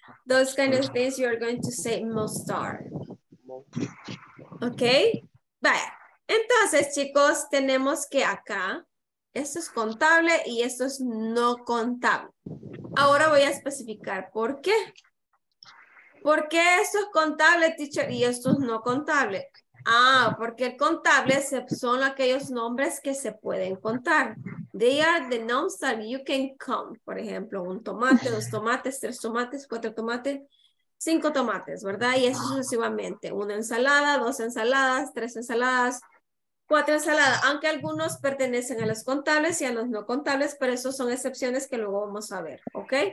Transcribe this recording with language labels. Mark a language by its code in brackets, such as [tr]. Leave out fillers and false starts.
[en] Those kind of things you are going to say mustard. Okay? [es] Vale. Entonces, chicos, tenemos que acá, esto es contable y esto es no contable. Ahora voy a especificar por qué. ¿Por qué esto es contable, teacher, y esto es no contable? Ah, porque el contable son aquellos nombres que se pueden contar. [en] They are the nouns that you can count. [es] Por ejemplo, un tomate, dos tomates, tres tomates, cuatro tomates, cinco tomates, ¿verdad? Y eso sucesivamente. Una ensalada, dos ensaladas, tres ensaladas, cuatro ensaladas. Aunque algunos pertenecen a los contables y a los no contables, pero esos son excepciones que luego vamos a ver, ¿ok?